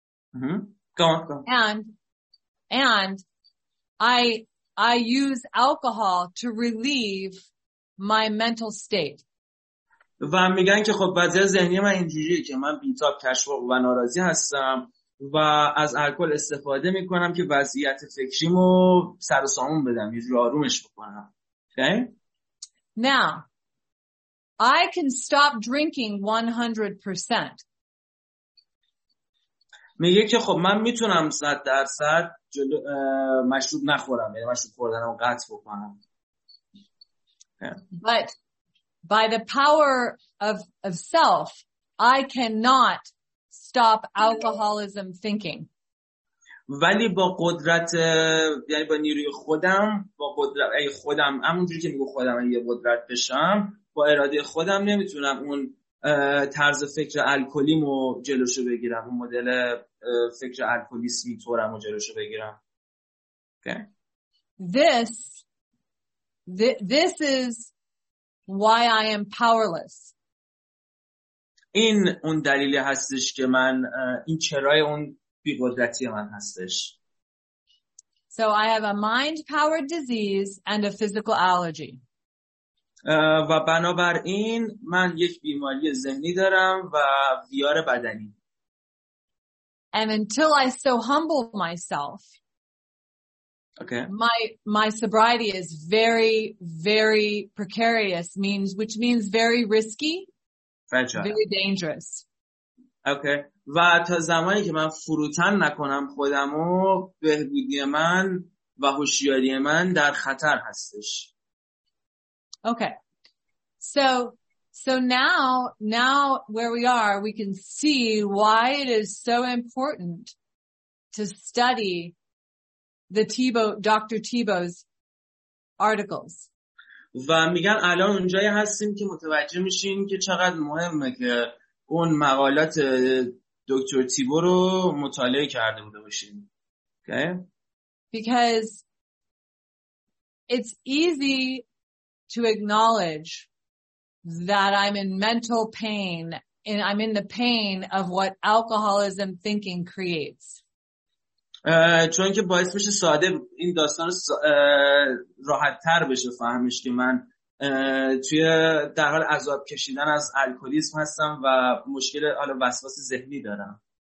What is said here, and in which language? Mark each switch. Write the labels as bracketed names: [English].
[English] And I use alcohol to relieve my mental state. [Persian] و میگن که خب وضعیت ذهنی من اینجوریه که من بیتاب، کشفق و ناراضی هستم و از الکل استفاده میکنم که وضعیت فکریمو سر و سامون بدم، یه جور آرومش بکنم. [English] Okay? Now, I can stop drinking 100%. [Persian] میگه که خب من میتونم 100% جلو مشروب نخورم، یعنی مشروب خوردنمو قطع بکنم. [English] But by the power of self, I cannot stop alcoholism thinking. [Persian] ولی با قدرت، یعنی با نیروی خودم، با قدرت ای خودم، همونجوری که میگه خودم یه قدرت بشم، با اراده خودم نمیتونم اون طرز فکر الکلیمو جلوشو بگیرم، اون مدل فکر الکلیسمی طورمو جلوشو بگیرم. [English] Okay. This is why I am powerless. [Persian] این اون دلیلی هستش که من، این چرای اون بی‌قدرتی من هستش. [English] So I have a mind-powered disease and a physical allergy. [Persian] و بنابراین من یک بیماری ذهنی دارم و ویار بدنی. [English] And until I so humble myself, okay. My sobriety is very, very precarious, which means very risky, fragile. Very dangerous. Okay. [Persian] و تا زمانی که من فروتن نکنم خودمو، بهبودی من و هوشیاری من در خطر هستش. [English] Okay. So now where we are, we can see why it is so important to study Dr. Thibault's articles. [Persian] و میگن الان اونجایی هستیم که متوجه میشین که چقدر مهمه که اون مقالات دکتر تیبو رو مطالعه کرده بوده باشین. [English] Okay? Because it's easy to acknowledge that I'm in mental pain and I'm in the pain of what alcoholism thinking creates. [Persian] چون که باعث میشه ساده این داستان رو راحت تر بشه فهمش که من توی در حال عذاب کشیدن از الکلیسم هستم و مشکل حالا وسواس ذهنی دارم.